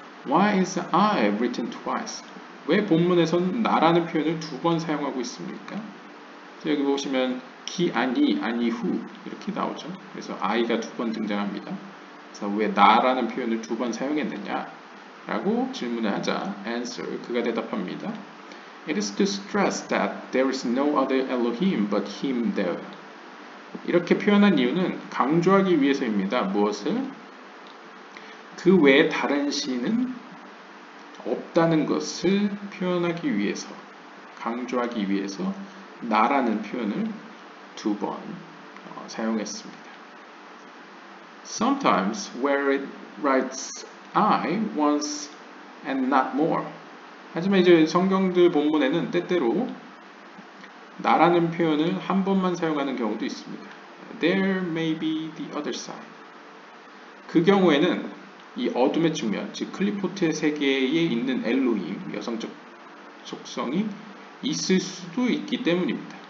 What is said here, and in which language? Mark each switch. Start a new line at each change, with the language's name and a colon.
English: Why is I written twice?
Korean: 왜 본문에서는 나라는 표현을 두 번 사용하고 있습니까? 여기 보시면
Hebrew: 기아니 아니후
Korean: 이렇게 나오죠. 그래서 아이가 두 번 등장합니다. 그래서 왜 나라는 표현을 두 번 사용했느냐 라고 질문을 하자 answer 그가 대답합니다.
English: It is to stress that there is no other Elohim but him there.
Korean: 이렇게 표현한 이유는 강조하기 위해서입니다. 무엇을? 그 외에 다른 신은 없다는 것을 표현하기 위해서 강조하기 위해서 나라는 표현을 두 번 사용했습니다.
English: Sometimes where it writes I once and not more.
Korean: 하지만 이제 성경들 본문에는 때때로 나라는 표현을 한 번만 사용하는 경우도 있습니다.
English: There may be the other side.
Korean: 그 경우에는 이 어둠의 측면, 즉 클리포트의 세계에 있는 엘로힘, 여성적 속성이 있을 수도 있기 때문입니다.